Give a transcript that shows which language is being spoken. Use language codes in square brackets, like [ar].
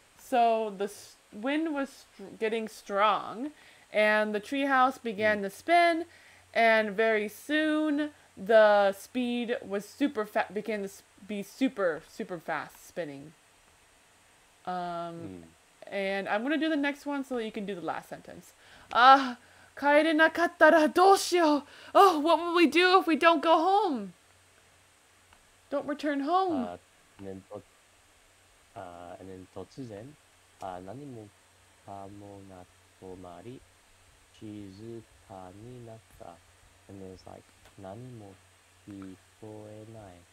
[en] So the wind was getting strong, and the treehouse began to spin, And very soon, the speed was super fast, began to be super, super fast spinning. And I'm going to do the next one so that you can do the last sentence. [ja] Ah, 帰れなかったらどうしよう? [en] Oh, what will we do if we don't go home? Don't return home. And it was like, [ja] 何も聞こえない。